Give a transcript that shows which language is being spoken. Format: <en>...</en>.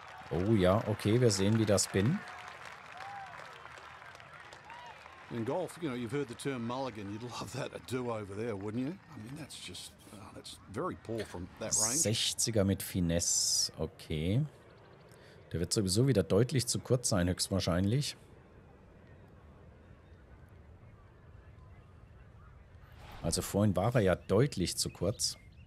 <de>Oh ja, okay, wir sehen, wie das Spin.</de> <en>In Golf, you know, you've heard the term mulligan. You'd love that a do over there, wouldn't you? I mean, that's just, that's very poor from that range.</en> <de>60er mit Finesse, okay. Der wird sowieso wieder deutlich zu kurz sein, höchstwahrscheinlich. Also vorhin war er ja deutlich zu kurz.</de>